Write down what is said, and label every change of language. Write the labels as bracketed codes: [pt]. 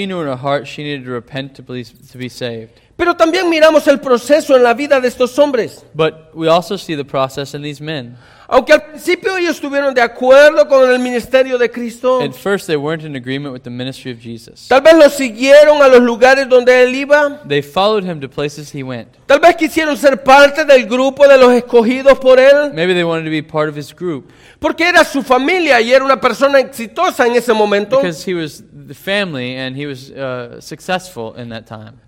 [en] She knew in her heart she needed to repent to be saved. [es] Pero también miramos el proceso en la vida de estos hombres. [en] But we also see the process in these men. [es] Aunque al principio ellos estuvieron de acuerdo con el ministerio de Cristo, [en] at first they weren't in agreement with the ministry of Jesus. [es] Tal vez lo siguieron a los lugares donde él iba. [en] They followed him to places he went. [es] Tal vez quisieron ser parte del grupo de los escogidos por él. [en] Maybe they wanted to be part of his group. [es] Porque era su familia y era una persona exitosa en ese momento. [en] Because he was the family and he was successful in that time.